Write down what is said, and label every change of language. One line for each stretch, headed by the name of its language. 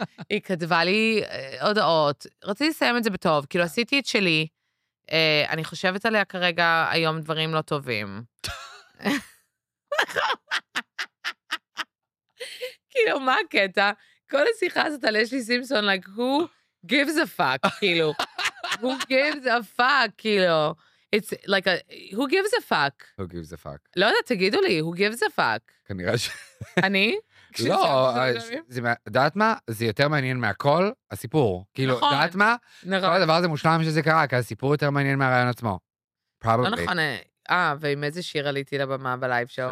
Hebrew: היא כתבה לי הודעות, רציתי לסיים את זה בטוב, כאילו עשיתי את שלי, אני חושבת עליה כרגע, היום דברים לא טובים. כאילו, מה הקטע? כל השיחה הזאת על אשלי סימפסון,
English: like, who gives a fuck,
Hebrew: כאילו.
English: Who gives a fuck,
Hebrew: כאילו.
English: It's like, who gives a fuck? Who gives a fuck?
Hebrew: לא יודע, תגידו לי,
English: who gives a fuck?
Hebrew: כנראה ש... אני? לא, דעת מה? זה יותר מעניין מהכל, הסיפור. כאילו, דעת מה? כל הדבר הזה מושלם שזה קרה, כי הסיפור יותר מעניין מהרעיון עצמו.
English: Probably.
Hebrew: לא נכון, ועם איזה שיר עליתי לבמה בלייב שואו?